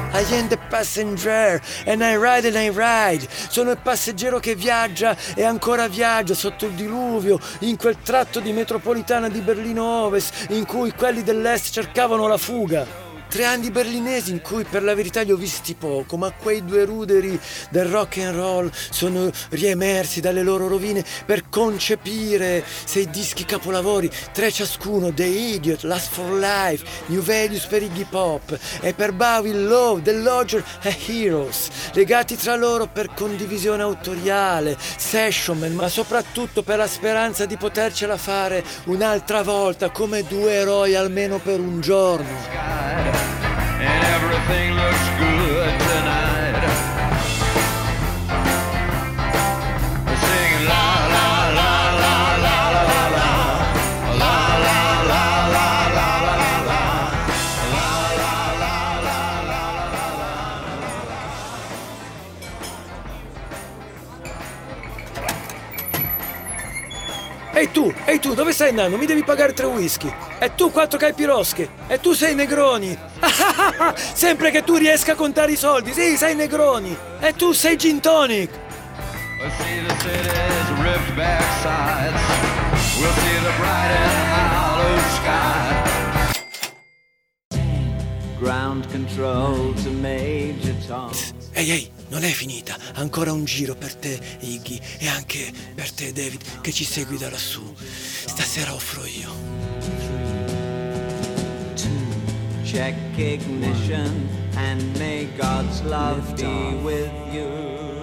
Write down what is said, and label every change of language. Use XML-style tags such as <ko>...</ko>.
<en>And the passenger, and I ride and I ride.</en> <it>Sono il passeggero che viaggia e ancora viaggia sotto il diluvio, in quel tratto di metropolitana di Berlino Ovest in cui quelli dell'est cercavano la fuga. 3 anni berlinesi in cui per la verità li ho visti poco, ma quei due ruderi del rock and roll sono riemersi dalle loro rovine per concepire 6 dischi capolavori, 3 ciascuno, The Idiot, Last for Life, New Values per Iggy Pop e per Bowie, Love, The Lodger e Heroes, legati tra loro per condivisione autoriale, session man, ma soprattutto per la speranza di potercela fare un'altra volta come due eroi almeno per un giorno.</it> <en>And everything looks good tonight. We're singing la la la la la la la la la la la la la la la la la la la la la la la la.</en> <it>Ehi tu, dove stai andando? Mi devi pagare 3 whisky. E tu 4 caipirosche. E tu 6 negroni. Sempre che tu riesca a contare i soldi. Sì, 6 negroni. E tu 6 gin tonic.</it> <en>We'll see the city's ripped back sides. We'll see the bright and hollow sky. Ground control to Major Tom.</en> <it>Ehi, non è finita. Ancora un giro per te, Iggy. E anche per te, David, che ci segui da lassù. Stasera offro io.</it> <en>Check ignition and may God's love be with you.</en>